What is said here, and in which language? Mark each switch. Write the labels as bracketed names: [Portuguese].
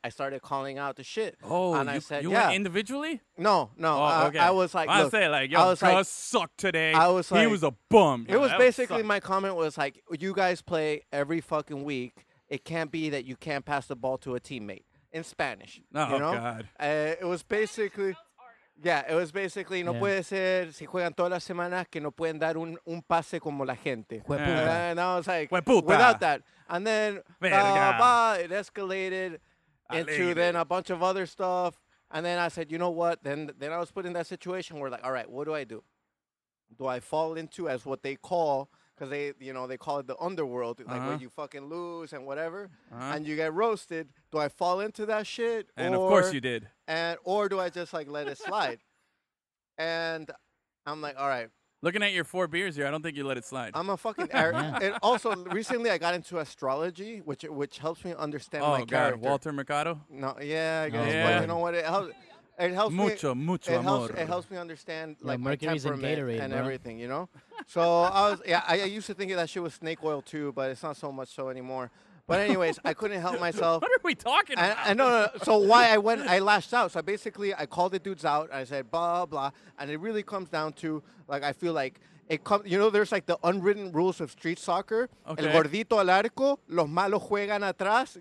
[English] I started calling out the shit. Oh, and you went individually? No. Oh, okay. I was like, look, I say like, yo, Cross like, sucked today. I was like, he was a bum. It was basically my comment was like, you guys play every fucking week. It can't be that you can't pass the ball to a teammate in Spanish. Oh, you know? God. [Spanish] It was basically, no puede ser, si juegan todas las semanas, que no pueden dar un pase como la gente. [English] And I was like, without that. And then it escalated into then a bunch of other stuff. And then I said, you know what? Then I was put in that situation where, like, all right, what do I do? do I fall into as what they call, because they, you know, they call it the underworld, like uh-huh. where you fucking lose and whatever, uh-huh. and you get roasted. Do I fall into that shit? And of course you did. And or do I just like let it slide? And I'm like, all right. Looking at your four beers here, I don't think you let it slide. I'm a fucking error. And also, recently I got into astrology, which helps me understand my character. Oh, God, Walter Mercado? No, yeah, I guess. Yeah. But you know what? It helps [Spanish] mucho, [English] me. [Spanish] Mucho, [English] it [Spanish] amor. [English] Helps, it helps me understand like my temperament and, Gatorade, and everything, you know? So I used to think that shit was snake oil, too, but it's not so much so anymore. But anyways, I couldn't help myself. What are we talking about? No. So why I lashed out. So basically, I called the dudes out. And I said, blah, blah, blah. And it really comes down to, like, I feel like, you know, there's like the unwritten rules of street soccer. Okay. [Spanish] El gordito al arco, los malos juegan atrás.